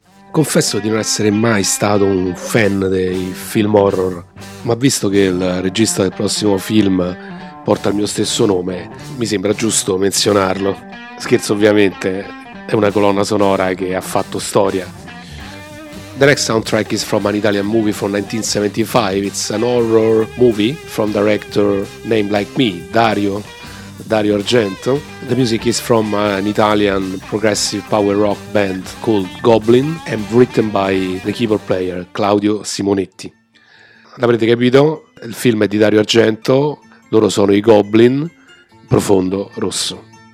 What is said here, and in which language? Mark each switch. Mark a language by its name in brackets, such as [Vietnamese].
[Italian] Confesso di non essere mai stato un fan dei film horror, ma visto che il regista del prossimo film porta il mio stesso nome, mi sembra giusto menzionarlo. Scherzo, ovviamente, è una colonna sonora che ha fatto storia. [English] The next soundtrack is from an Italian movie from 1975. It's an horror movie from director named like me, Dario Argento. The music is from an Italian progressive power rock band called Goblin and written by the keyboard player Claudio Simonetti. [Italian] L'avrete capito? Il film è di Dario Argento, loro sono i Goblin, profondo rosso.